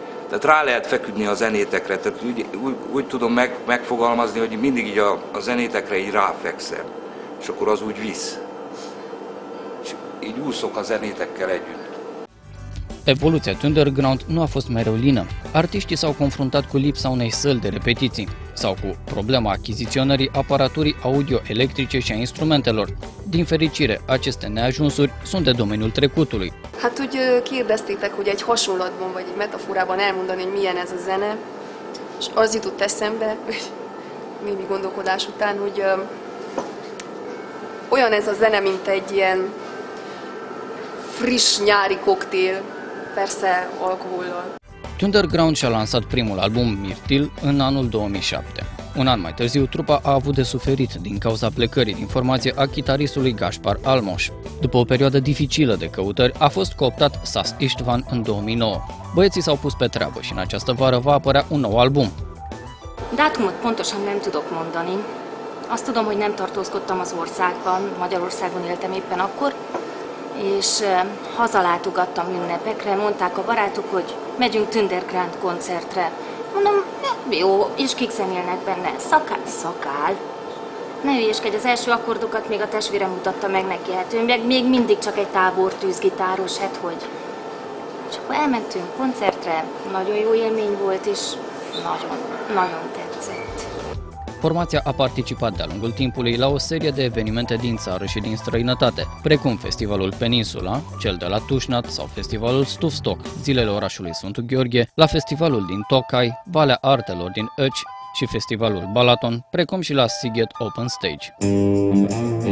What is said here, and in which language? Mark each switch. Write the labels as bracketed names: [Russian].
[Hungarian] Tehát rá lehet feküdni a zenétekre, tehát úgy tudom megfogalmazni, hogy mindig így a zenétekre így ráfekszem, és akkor az úgy visz. És így úszok a zenétekkel együtt. [Romanian] Evoluția Underground nu a fost mereu lină. Artiștii s-au confruntat cu lipsa unei săli de repetiții sau cu problema achiziționării aparaturii audio-electrice și a instrumentelor. Din fericire, aceste neajunsuri sunt de domeniul trecutului. [Hungarian] Hát úgy kérdeztétek, hogy egy hasonlatban vagy egy metaforában elmondani, hogy milyen ez a zene, és az jutott eszembe, hogy némi gondolkodás után, hogy olyan ez a zene, mint egy ilyen friss nyári koktél, persze alkohollal. [Romanian] Thunderground și-a lansat primul album, Mirtil, în anul 2007. Un an mai târziu, trupa a avut de suferit din cauza plecării din formație a chitaristului Gaspar Almos. După o perioadă dificilă de căutări, a fost cooptat Sas István în 2009. Băieții s-au pus pe treabă și în această vară va apărea un nou album. [Hungarian] Datumot pontosan nem tudok mondani. Azt tudom, hogy nem tartózkodtam az országban, Magyarországon éltem éppen akkor, és hazalátogattam ünnepekre, mondták a barátok, hogy megyünk Thunderground koncertre. Mondom, jó, és kik zenélnek benne? Szakál? Szakál. Ne hülyeskedj, az első akkordokat még a testvérem mutatta meg neki, hát ő még mindig csak egy tábortűzgitáros, hát hogy. És akkor elmentünk koncertre, nagyon jó élmény volt, és nagyon, nagyon tetszett. [Romanian] Formația a participat de-a lungul timpului la o serie de evenimente din țară și din străinătate, precum Festivalul Peninsula, cel de la Tușnat sau Festivalul Stufstock, Zilele Orașului Sfântul Gheorghe, la Festivalul din Tokaj, Valea Artelor din Öcs și Festivalul Balaton, precum și la Sziget Open Stage.